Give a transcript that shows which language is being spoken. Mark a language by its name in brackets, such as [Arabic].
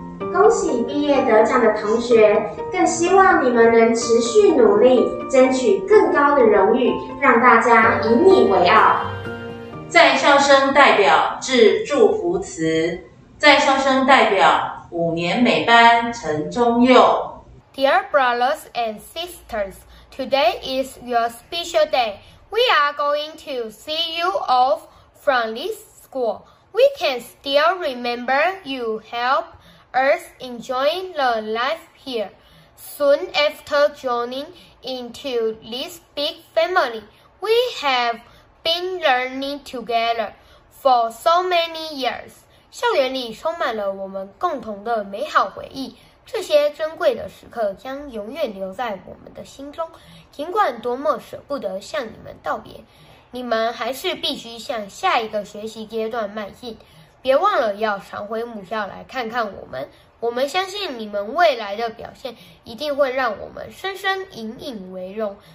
[Chinese] 恭喜毕业得奖的同学，更希望你们能持续努力，争取更高的荣誉，让大家以你为傲。在校生代表致祝福词，在校生代表五年美班陈中佑。 [English] Dear brothers and sisters, today is your special day. We are going to see you off from this school. We can still remember you help us enjoy the life here. Soon after joining into this big family, we have been learning together for so many years. [Chinese] 校园里充满了我们共同的美好回忆，这些珍贵的时刻将永远留在我们的心中。尽管多么舍不得向你们道别，你们还是必须向下一个学习阶段迈进。别忘了要常回母校来看看我们，我们相信你们未来的表现一定会让我们深深引以为荣。